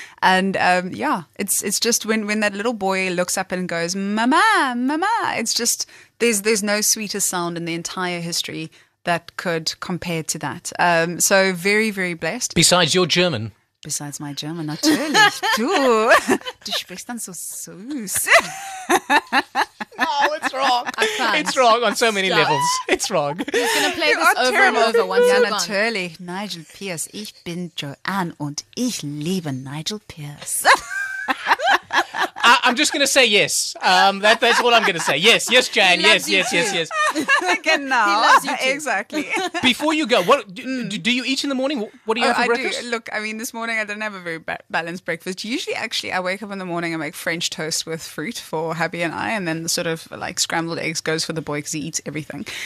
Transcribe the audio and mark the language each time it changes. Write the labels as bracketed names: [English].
[English] And it's just when that little boy looks up and goes, mama, mama, it's just there's no sweeter sound in the entire history that could compare to that. So very, very blessed. Besides my German, [German] natürlich, du. Du sprichst dann so süß. [English] No, it's wrong. It's wrong on so many levels. It's wrong. He's going to play you this over terrible. And over once. [German] Ja, natürlich, Nigel Pearce. Ich bin Joanne und ich liebe Nigel Pearce. [English] I'm just going to say yes. That's all I'm going to say. Yes, yes, Jan. Yes, yes, yes, yes. Again, now. He loves you too. Exactly. Before you go, do you eat in the morning? What do you have for breakfast? I do. Look, I mean, this morning I didn't have a very balanced breakfast. Usually, actually, I wake up in the morning and make French toast with fruit for Habby and I, and then the sort of like scrambled eggs goes for the boy because he eats everything.